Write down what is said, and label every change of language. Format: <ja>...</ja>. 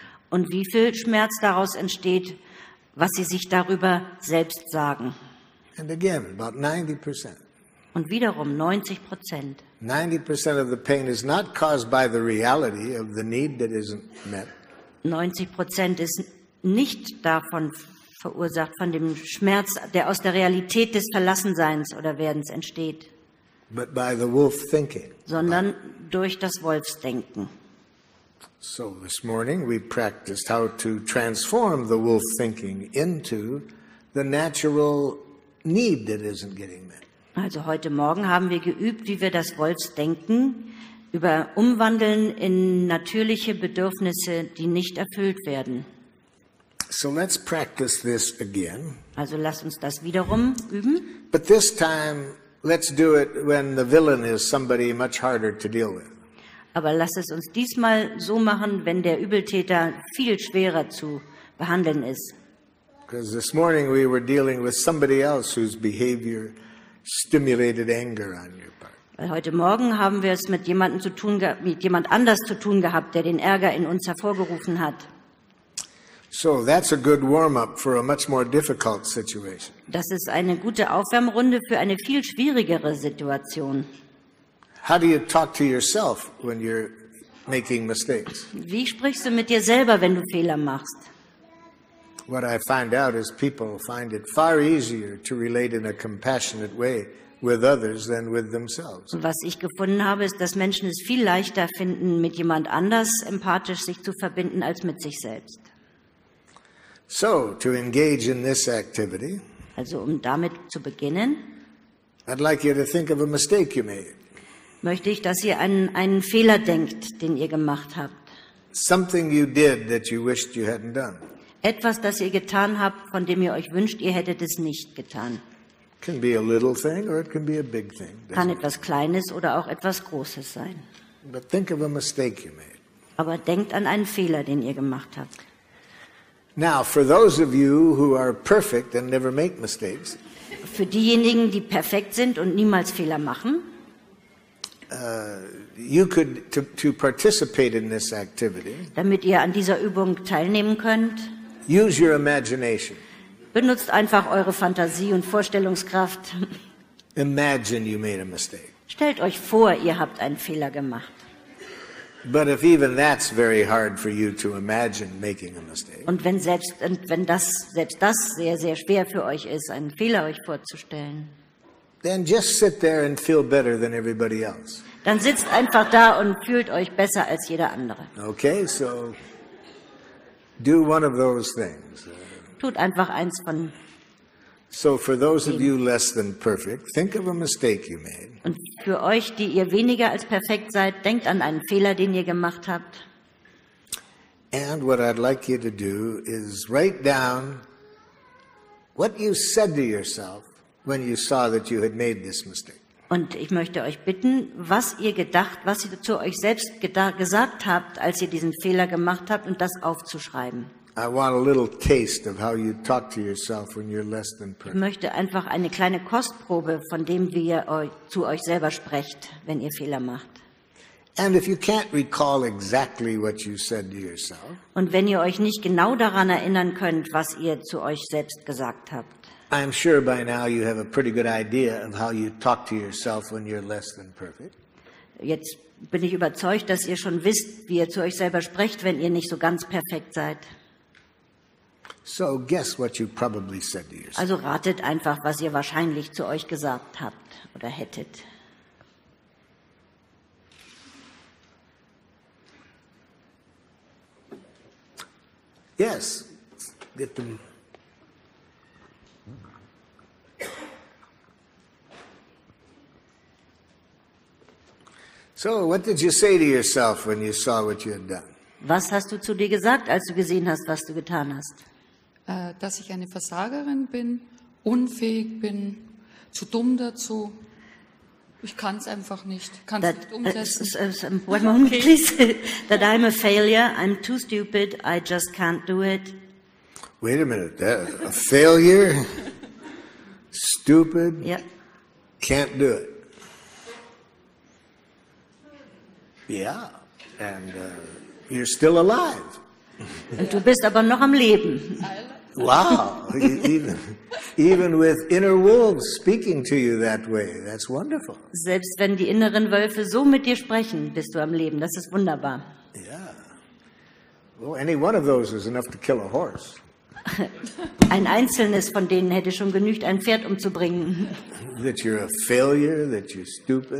<de>Und wie viel Schmerz daraus entsteht, was sie sich darüber selbst sagen.</de> <en>And again, about 90%.</en> <de>Und wiederum 90%.</de> <en>90% of the pain is not caused by the reality of the need that isn't met.</en> <de>90% ist nicht davon verursacht, von dem Schmerz, der aus der Realität des Verlassenseins oder Werdens entsteht.</de> <en>But by the wolf thinking.</en> <de>Sondern durch das Wolfsdenken.</de> <en>So this morning we practiced how to transform the wolf thinking into the natural need that isn't getting met.</en> <de>Also heute Morgen haben wir geübt, wie wir das Wolfsdenken über umwandeln in natürliche Bedürfnisse, die nicht erfüllt werden.</de> <en>So let's practice this again.</en> <de>Also lass uns das wiederum üben.</de> <en>But this time, let's do it when the villain is somebody much harder to deal with.</en> <de>Aber lass es uns diesmal so machen, wenn der Übeltäter viel schwerer zu behandeln ist.</de> <en>Because this morning we were dealing with somebody else whose behavior stimulated anger on your part.</en> <de>Heute Morgen haben wir es mit jemand anders zu tun gehabt, der den Ärger in uns hervorgerufen hat.</de> <en>So that's a good warm-up for a much more difficult situation.</en> <de>Das ist eine gute Aufwärmrunde für eine viel schwierigere Situation.</de> <en>How do you talk to yourself when you're making mistakes?</en> <de>Wie sprichst du mit dir selber, wenn du Fehler machst?</de> <en>What I find out is people find it far easier to relate in a compassionate way with others than with themselves.</en> <de>Was ich gefunden habe, ist, dass Menschen es viel leichter finden, mit jemand anders empathisch sich zu verbinden, als mit sich selbst.</de> <en>So, to engage in this activity,</en> <de>also, um damit zu beginnen,</de> <en>I'd like you to think of a mistake you made.</en> <de>Möchte ich, dass ihr an einen Fehler denkt, den ihr gemacht habt.</de> <en>Something you did that you wished you hadn't done.</en> <de>Etwas, das ihr getan habt, von dem ihr euch wünscht, ihr hättet es nicht getan.</de> <en>Can be a little thing or it can be a big thing.</en> <de>Kann etwas Kleines oder auch etwas Großes sein.</de> <en>But think of a mistake you made.</en> <de>Aber denkt an einen Fehler, den ihr gemacht habt.</de> <en>Now, for those of you who are perfect and never make mistakes,</en> <de>für diejenigen, die perfekt sind und niemals Fehler machen,</de> <en>you could to participate in this activity.</en> <de>Damit ihr an dieser Übung teilnehmen könnt,</de> <en>use your imagination.</en> <de>Benutzt einfach eure Fantasie und Vorstellungskraft.</de> <en>Imagine you made a mistake.</en> <de>Stellt euch vor, ihr habt einen Fehler gemacht.</de> <en>But if even that's very hard for you to imagine making a mistake.</en> <de>Und wenn das sehr sehr schwer für euch ist, einen Fehler euch vorzustellen.</de> <en>Then just sit there and feel better than everybody else.</en> <de>Dann sitzt einfach da und fühlt euch besser als jeder andere.</de> <en>Okay, so do one of those things.</en> <de>Tut einfach eins von.</de> <en>So for those of you less than perfect, think of a mistake you made.</en> <de>Und für euch, die ihr weniger als perfekt seid, denkt an einen Fehler, den ihr gemacht habt.</de> <en>And what I'd like you to do is write down what you said to yourself when you saw that you had made this mistake.</en> <de>Und ich möchte euch bitten, was ihr zu euch selbst gesagt habt, als ihr diesen Fehler gemacht habt, und das aufzuschreiben.</de> <en>I want a little taste of how you talk to yourself when you're less than perfect.</en> <de>Ich möchte einfach eine kleine Kostprobe von dem, wie ihr zu euch selber sprecht, wenn ihr Fehler macht.</de> <en>And if you can't recall exactly what you said to yourself,</en> <de>und wenn ihr euch nicht genau daran erinnern könnt, was ihr zu euch selbst gesagt habt,</de> <en>I'm sure by now you have a pretty good idea of how you talk to yourself when you're less than perfect.</en> <de>Jetzt bin ich überzeugt, dass ihr schon wisst, wie ihr zu euch selber sprecht, wenn ihr nicht so ganz perfekt seid.</de> <en>So guess what you probably said to yourself.</en> <de>Also ratet einfach, was ihr wahrscheinlich zu euch gesagt habt oder hättet.</de> <en>Yes. Get them. So what did you say to yourself when you saw what you had done?</en> <de>Was hast du zu dir gesagt, als du gesehen hast, was du getan hast? Dass ich eine Versagerin bin, unfähig bin, zu dumm dazu. Ich kann es einfach nicht. Kann es nicht umsetzen.</de> <en>One moment, okay. Please. That I'm a failure. I'm too stupid. I just can't do it. Wait a minute. That, a failure? Stupid? Yeah. Can't do it. Yeah. And you're still alive.</en> <de>Und du bist aber noch am Leben.</de> <en>Wow, even with inner wolves speaking to you that way, that's wonderful.</en> <de>Selbst wenn die inneren Wölfe so mit dir sprechen, bist du am Leben. Das ist wunderbar.</de> <en>Yeah. Well, any one of those is enough to kill a horse.</en> <de>Ein einzelnes von denen hätte schon genügt, ein Pferd umzubringen.</de> <en>That you're a failure, that you're stupid.</en>